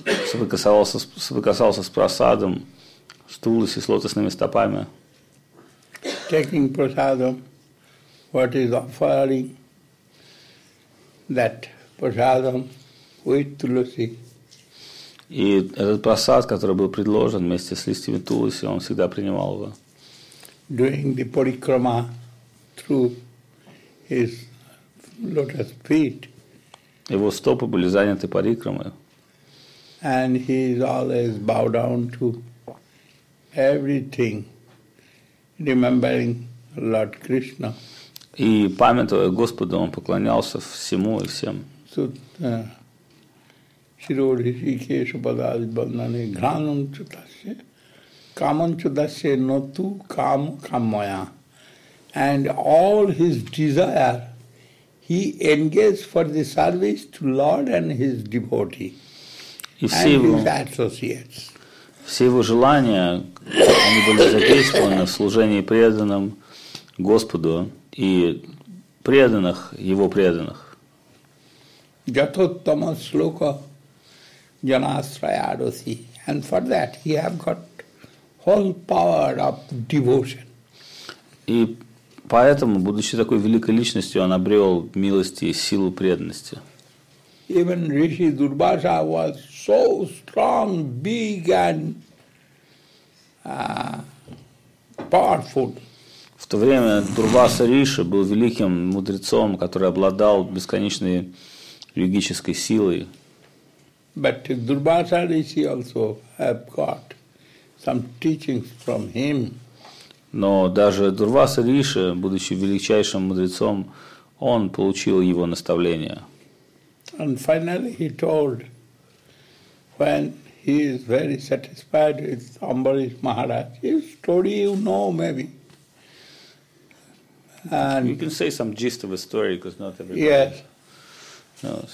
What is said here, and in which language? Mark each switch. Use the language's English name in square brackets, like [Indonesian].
[Russian] Соприкасался с просадом, с тулоси, с лотосными стопами. [English] Taking prasadam, what is offering that prasadam with tulasi. [Russian] И этот просад, который был предложен вместе с листьями тулоси, он всегда принимал его. [English] Doing the parikrama through his lotus feet. [Russian] Его стопы были заняты парикрамой. [English] And he is always bow down to everything, remembering Lord Krishna. [Russian] И памятуя Господу, он поклонялся всему и всем. [Sanskrit] Shirodhi Shikesha Padadi Bandhani Ghranam Chudashe Kaman Chudashe Natu Kam Kamaya. [English] And all his desire, he engages for the service to Lord and his devotee. [Russian] И все его желания, они были задействованы в служении преданным Господу и преданных Его преданных. [Sanskrit] Jatottama sloka janasrayadosi. [English] And for that he have got whole power of devotion. [Russian] И поэтому, будучи такой великой личностью, он обрел милость и силу преданности. [English] Even Rishi Durbasa was so strong, big and powerful. [Russian] В то время Дурбаса Риши был великим мудрецом, который обладал бесконечной йогической силой. [English] But Durbasa Rishi also have got some teachings from him. [Russian] Но даже Дурбаса Риши, будучи величайшим мудрецом, он получил его наставления. [English] And finally he told, when he is very satisfied with Ambarish Maharaj, his story you know maybe. And you can say some gist of a story because not everybody yes. knows.